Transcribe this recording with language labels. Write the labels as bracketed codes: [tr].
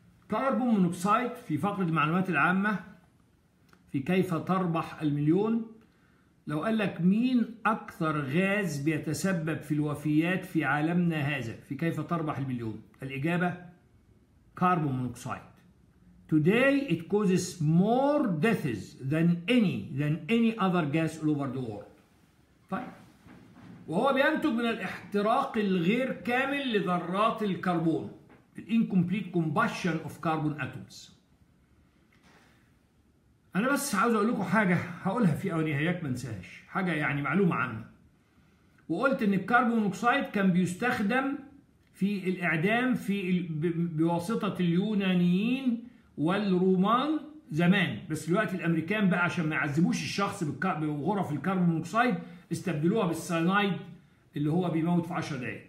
[ar] كربون مونوكسيد في فقره المعلومات العامه في كيف تربح المليون، لو قال لك مين اكثر غاز بيتسبب في الوفيات في عالمنا هذا في كيف تربح المليون، الاجابه كربون مونوكسيد. [en] Today it causes more deaths than any other gas all over the world. [ar] وهو بينتج من الاحتراق الغير كامل لذرات الكربون، [en] incomplete combustion of carbon atoms. [ar] انا بس عاوز اقول لكم حاجه هقولها في اول نهايات ما انساهاش، حاجه يعني معلومه عامه، وقلت ان الكربون مونوكسيد كان بيستخدم في الاعدام في بواسطه اليونانيين والرومان زمان، بس دلوقتي الامريكان بقى عشان ما يعذبوش الشخص بغرف الكربون مونوكسيد استبدلوها بالسيانايد اللي هو بيموت في 10 دقائق.